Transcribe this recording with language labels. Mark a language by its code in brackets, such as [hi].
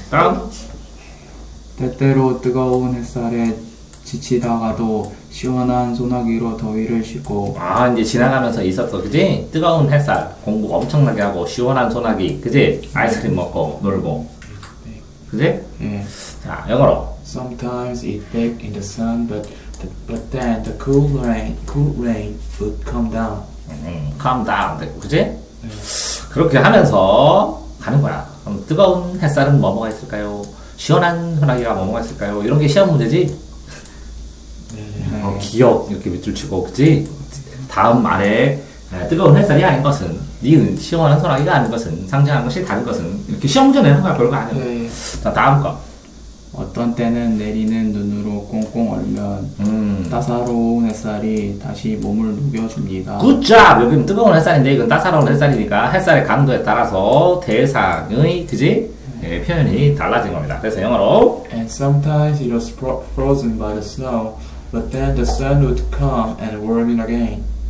[ko] 다음. 때때로 뜨거운 햇살에 지치다가도 시원한 소나기로 더위를 씻고. 아, 이제 지나가면서 있었어, 그지? 뜨거운 햇살, 공부 엄청나게 하고, 시원한 소나기, 그지? 아이스크림 먹고, 놀고. 그지? 예. 자, 영어로. [en] Sometimes it baked in the sun, but then the cool rain would come down. Come down, [ko] 그지? 그렇게 하면서 가는 거야. 그럼 뜨거운 햇살은 뭐뭐가 있을까요? 시원한 소나기가 뭐뭐가 있을까요? 이런 게 시험 문제지? 네. 어, 기억 이렇게 밑줄 치고, 그지? 다음 말에 뜨거운 햇살이 아닌 것은, 니은 시원한 소나기가 아닌 것은, 상징하는 것이 다른 것은, 이렇게 시험 문제 내는 거야, 그런 거 아니야. 네. 자, 다음 거. 어떤 때는 내리는 눈으로 꽁꽁 얼면 따사로운 햇살이 다시 몸을 녹여줍니다. [en] 굿잡! [ko] 여기는 뜨거운 햇살인데 이건 따사로운 햇살이니까 햇살의 강도에 따라서 대상의, 그지? 네, 표현이 달라진 겁니다. 그래서 영어로 [en] And sometimes it was frozen by the snow, but then the sun would come and warm it again.